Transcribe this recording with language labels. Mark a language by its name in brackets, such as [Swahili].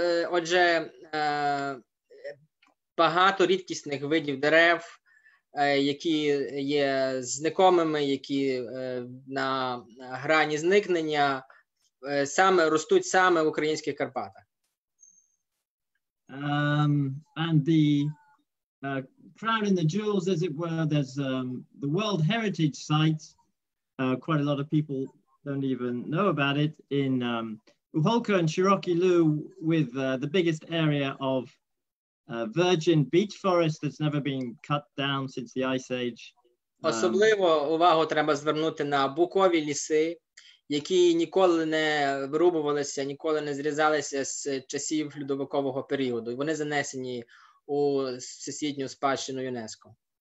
[Ukrainian] Отже, багато рідкісних видів дерев, які є зникомими, які на грані зникнення, ростуть саме в українських Карпатах. [English] And the crown in the jewels, as it were, there's the World Heritage Site. Quite a lot of people don't even know about it, in Ухолка and Широкий Луг, with the biggest area of virgin beech forest that's never been cut down since the Ice Age. [Ukrainian] Особливо увагу треба звернути на букові ліси, які ніколи не вирубувалися, ніколи не зрізалися з часів льодовикового періоду. І вони занесені у всесвітню спадщину ЮНЕСКО.